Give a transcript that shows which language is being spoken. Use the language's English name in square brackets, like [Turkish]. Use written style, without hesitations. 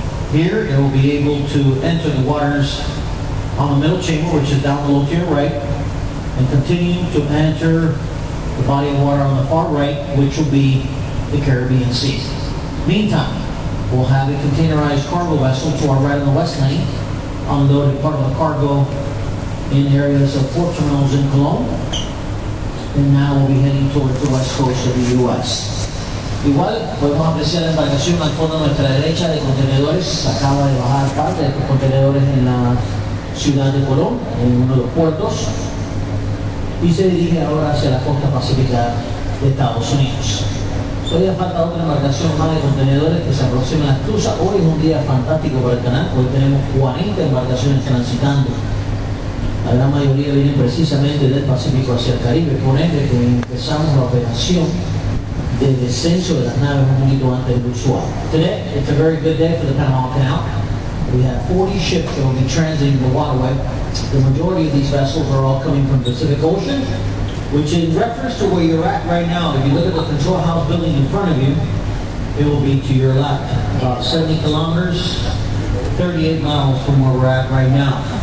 [English] Here, it will be able to enter the waters on the middle chamber, which is down below to your right, and continue to enter the body of water on the far right, which will be the Caribbean Sea. Meantime, we'll have a containerized cargo vessel to our right on the west lane, unloaded part of the cargo in areas of port terminals in Cologne, and now we'll be heading towards the west coast of the U.S. [Spanish] Igual, podemos apreciar la embarcación al fondo de nuestra derecha de contenedores. Acaba de bajar parte de los contenedores en la ciudad de Colón, en uno de los puertos. Y se dirige ahora hacia la costa pacífica de Estados Unidos. Hoy ha faltado otra embarcación más de contenedores que se aproxima a la esclusa. Hoy es un día fantástico para el canal. Hoy tenemos 40 embarcaciones transitando. La gran mayoría vienen precisamente del Pacífico hacia el Caribe. Con este que empezamos la operación del descenso de las naves un poquito antes del usual. [English] Today, it's a very good day for the Panama Canal. We have 40 ships that will be transiting the waterway. The majority of these vessels are all coming from the Pacific Ocean, which in reference to where you're at right now, if you look at the control house building in front of you, it will be to your left, about 70 kilometers, 38 miles from where we're at right now.